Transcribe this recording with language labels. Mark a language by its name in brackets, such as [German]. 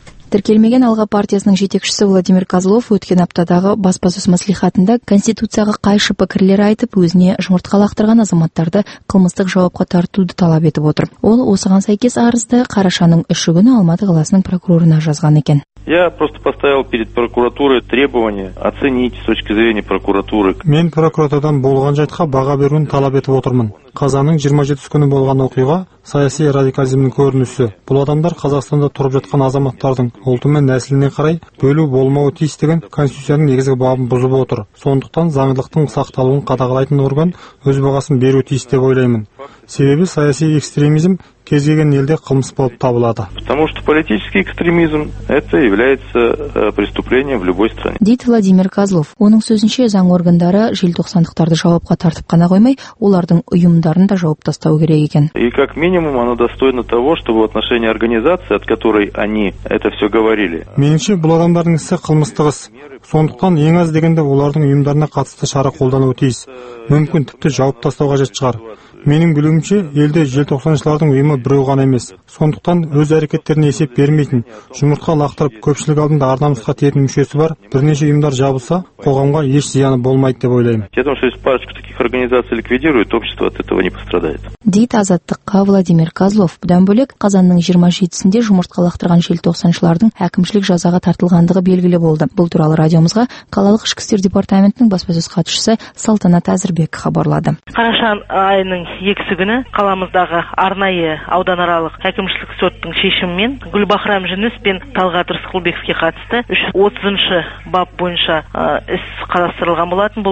[Kazakh] Тіркелмеген алға партиясының жетекшісі Владимир Козлов өткен аптадағы баспасөз мәслихатында конституцияға қайшы пікірлер айтып, өзіне жұмыртқа лақтырған азаматтарды қылмыстық жауапқа тартуды талап етіп отыр. Ол осыған сәйкес арызды қарашаның 3 күні Алматы қаласының прокурорына жазған екен. [Russian] Я просто поставил перед прокуратурой требование оценить с точки зрения прокуратуры. [Kazakh] Мен прокуратурадан болған жайтқа баға беруін талап етіп отырмын. Қазанның 27 күні болған оқиға саяси радикализмнің көрінісі. Бұл адамдар Қазақстанда тұрып жатқан азаматтардың ұлты мен нәсіліне қарай бөлу болмауы тиіс деген конституцияның негізгі бабын бұзып отыр. Сондықтан заңдылықтың сақталуын қадағалайтын орган өз бағасын беру тиіс деп ойлаймын. Себебі саяси экстремизм кез келген елде қылмыс болып табылады. [Russian] Потому что политический экстремизм это является преступлением в любой стране. [Kazakh] Дейді Владимир Козлов. Оның сөзінше заң органдары желтоқсандықтарды жауапқа тартып қана қоймай, олардың ұйымдарын да жауып тастау керек екен. [Russian] И как минимум оно достойно того, чтобы в отношении организации, от которой они это все говорили. [Kazakh] Меніңше бұл адамдардың ісі қылмыстық іс. Сондықтан ең аз дегенде олардың ұйымдарына қатысты шара қолдану тиіс. Мүмкін тіпті жауап тастау қажет шығар. Менің білуімше, елде желтоқсаншылардың ұйымы біреу ғана емес. Сондықтан өз әрекеттеріне есеп бермейтін, жұмыртқа лақтырып көпшілік алдында ар намысқа тиетін мүшесі бар, бірнеше ұйымдар жабылса, қоғамға еш зияны болмайды деп ойлаймын. [Russian] Организация ликвидирует, общество от этого не пострадает. [Kazakh] Дейді Азаттыққа Владимир Козлов. Бұдан бөлек, Қазанның 27-сінде жұмыртқа лақтырған желтоқсаншылардың әкімшілік жазаға тартылғандығы белгілі болды. Бұл туралы радиомызға қалалық ішкі істер департаментінің баспасөз хатшысы Салтанат Әзірбек хабарлады. Қарашан айының 2-сі күні қаламыздағы арнайы ауданаралық әкімшілік соттың шешімімен Гүлбахрам Жүніс пен Талғат Рысқұлбековке қатысты 30-шы бап бойынша іс қарастырылған болатын.